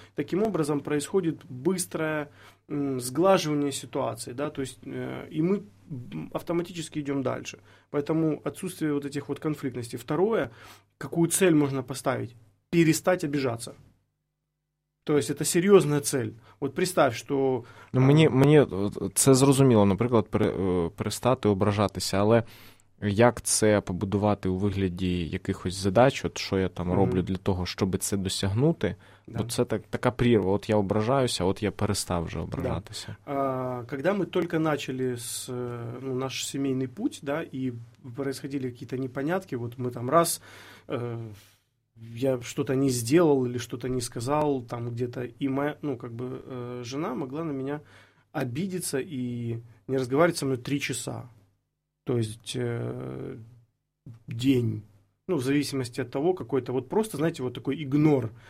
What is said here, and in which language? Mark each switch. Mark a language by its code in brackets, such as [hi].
[ru] Таким образом происходит быстрое сглаживание ситуации, да, то есть и мы автоматически идем дальше. Поэтому отсутствие вот этих вот конфликтностей. Второе, какую цель можно поставить? Перестать обижаться. То есть это серьезная цель. Вот представь, что... [uk] Ну, мне це зрозуміло, наприклад, перестати ображатися, але як це побудувати у вигляді якихось задач, от що я там роблю для того, щоб це досягнути, да. Бо це така прірва, от я ображаюся, от я перестав вже ображатися. [ru] Да. [uk] Когда ми тільки почали наш сімейний путь, да, і відбувалися якісь непонятки, от ми там раз [ru] я что-то не сделал или что-то не сказал, там где-то, и моя, ну, как бы, жена могла на меня обидеться и не разговаривать со мной 3 часа, то есть день. Ну, в зависимости от того, какой-то вот просто, знаете, вот такой игнор.